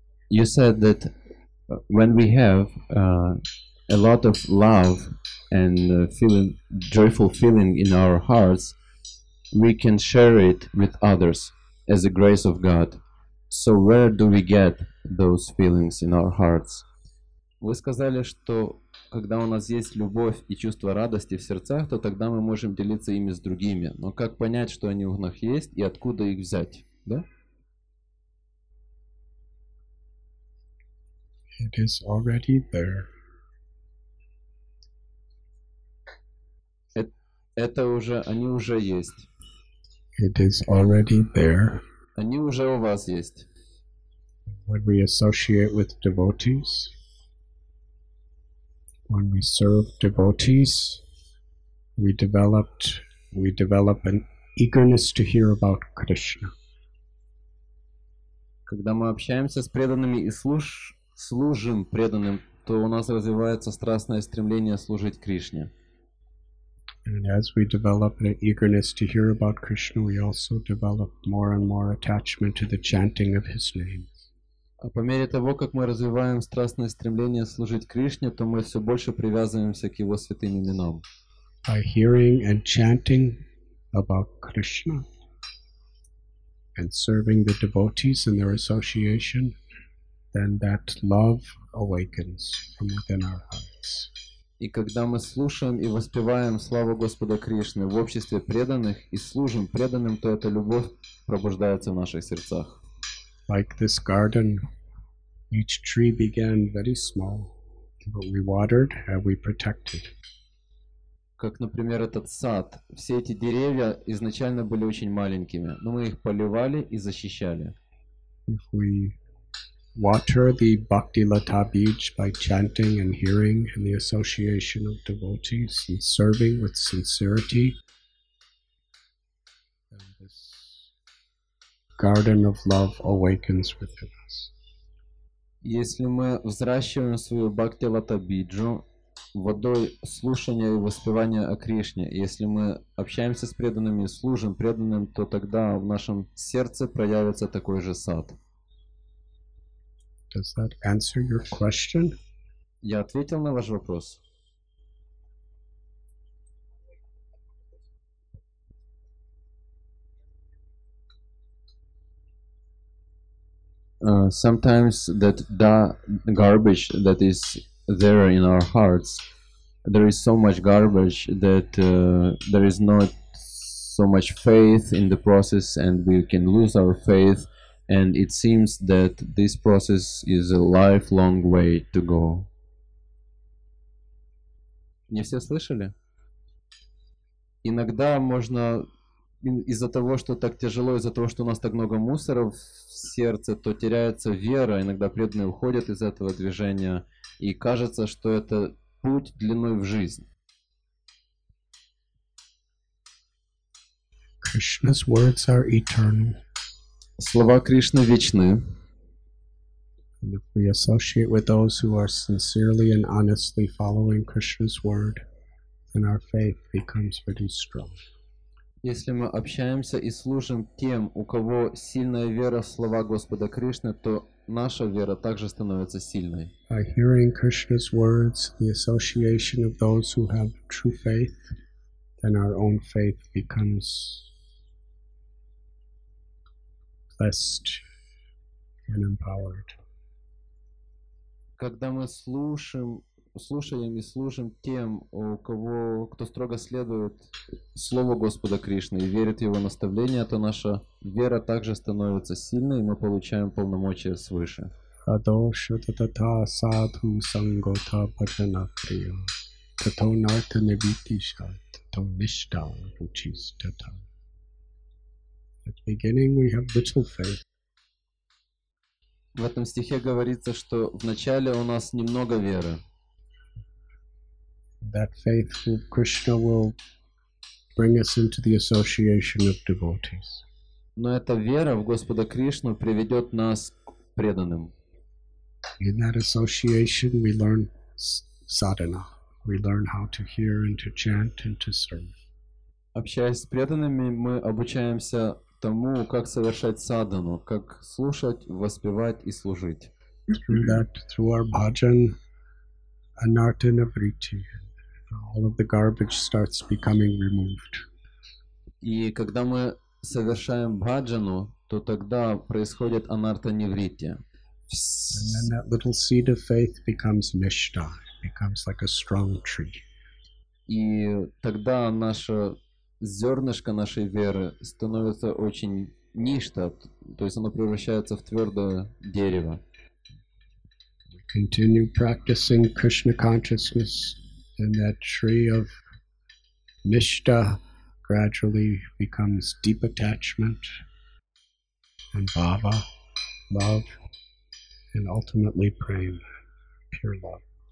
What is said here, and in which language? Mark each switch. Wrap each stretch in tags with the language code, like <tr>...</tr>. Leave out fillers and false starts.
<en>You said that when we have a lot of love and feeling joyful feeling in our hearts, we can share it with others as a grace of God. So where do we get those feelings in our hearts?</en> <ru>Вы сказали, что когда у нас есть любовь и чувство радости в сердцах, то тогда мы можем делиться ими с другими. Но как понять, что они у нас есть и откуда их взять? Да?</ru> <en>It is already there.</en> <ru>Это уже, они уже есть.</ru> <en>It is already there.</en> <ru>Они уже у вас есть.</ru> <en>When we associate with devotees, when we serve devotees, we develop an eagerness to hear about Krishna.</en> <ru>Когда мы общаемся с преданными и служим преданным, то у нас развивается страстное стремление служить Кришне.</ru> <en>And as we develop an eagerness to hear about Krishna, we also develop more and more attachment to the chanting of His name.</en> <ru>А по мере того, как мы развиваем страстное стремление служить Кришне, то мы все больше привязываемся к Его святым именам.</ru> <en>By hearing and chanting about Krishna and serving the devotees and their association, then that love awakens from within our hearts.</en> <ru>И когда мы слушаем и воспеваем славу Господа Кришны в обществе преданных и служим преданным, то эта любовь пробуждается в наших сердцах.</ru> <en>Like this garden, each tree began very small, but we watered and we protected.</en> <ru>Как, например, этот сад. Все эти деревья изначально были очень маленькими, но мы их поливали и защищали.</ru> <en>If we water the Bhakti Lata Beach by chanting and hearing and the association of devotees and serving with sincerity, and this garden of love awakens within us.</en> <ru>Если мы взращиваем свою Бхакти Лата Биджу водой слушания и воспевания о Кришне, если мы общаемся с преданными и служим преданным, то тогда в нашем сердце проявится такой же сад.</ru> <en>Does that answer your question?</en> <ru>Я ответил на ваш вопрос.</ru> <en>Sometimes that garbage that is there in our hearts, there is so much garbage that there is not so much faith in the process, and we can lose our faith. And it seems that this process is a lifelong way to go.</en> <ru>Не все слышали? Иногда можно из-за того, что так тяжело, из-за того, что у нас так много мусора в сердце, то теряется вера. Иногда преданные уходят из этого движения, и кажется, что это путь длиной в жизнь.</ru> <en>Krishna's words are eternal.</en> <ru>Слова Кришны вечны.</ru> <en>And if we associate with those who are sincerely and honestly following Krishna's word, then our faith becomes pretty strong.</en> <ru>Если мы общаемся и служим тем, у кого сильная вера в слова Господа Кришны, то наша вера также становится сильной.</ru> <en>By hearing Krishna's words, the association of those who have true faith, then our own faith becomes blessed and empowered.</en> <ru>Когда мы слушаем и служим тем, кто строго следует слову Господа Кришны и верит в его наставления, то наша вера также становится сильной, и мы получаем полномочия свыше.</ru> <sa>Адошатата садху сангота паджанакрия тато нарта невитиша тато ништа учистата.</sa> <en>At the beginning we have little faith.</en> <ru>В этом стихе говорится, что в начале у нас немного веры.</ru> <en>That faith in Krishna will bring us into the association of devotees.</en> <ru>Но эта вера в Господа Кришну приведет нас к преданным.</ru> <en>In that association we learn sadhana. We learn how to hear and to chant and to serve.</en> <ru>Общаясь с преданными, мы обучаемся тому, как совершать садхану, как слушать, воспевать и служить.</ru> <en>Through that, through our bhajan, anarta navriti, all of the garbage starts becoming removed.</en> <ru>И когда мы совершаем бхаджану, то тогда происходит анарта навриттия.</ru> <en>And then that little seed of faith becomes nishta, becomes like a strong tree.</en> <ru>И тогда наше зернышко нашей веры становится очень ништа, то есть оно превращается в твердое дерево.</ru> <en>We continue practicing Krishna consciousness, and that tree of nishta gradually becomes deep attachment and bhava, love, and ultimately prema, pure love.</en>